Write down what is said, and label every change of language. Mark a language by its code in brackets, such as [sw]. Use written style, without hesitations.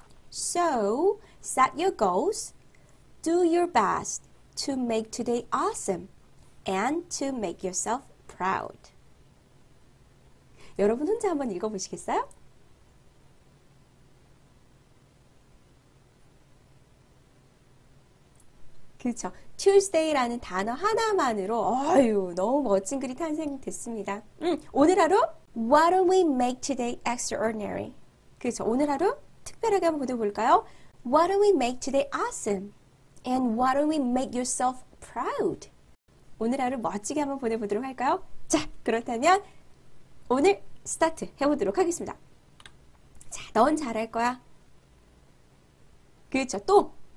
[en] So, set your goals, do your best to make today awesome and to make yourself proud. [ko] 여러분 혼자 한번 읽어보시겠어요? 그쵸. Tuesday라는 단어 하나만으로, 아유, 너무 멋진 글이 탄생됐습니다. 오늘 하루, [en] why don't we make today extraordinary? [ko] 그쵸. 오늘 하루, 특별하게 한번 보내볼까요? [en] Why don't we make today awesome? And why don't we make yourself proud? [ko] 오늘 하루 멋지게 한번 보내보도록 할까요? 자, 그렇다면 오늘 스타트 해보도록 하겠습니다. 자, 넌 잘할 거야. 그렇죠. 또!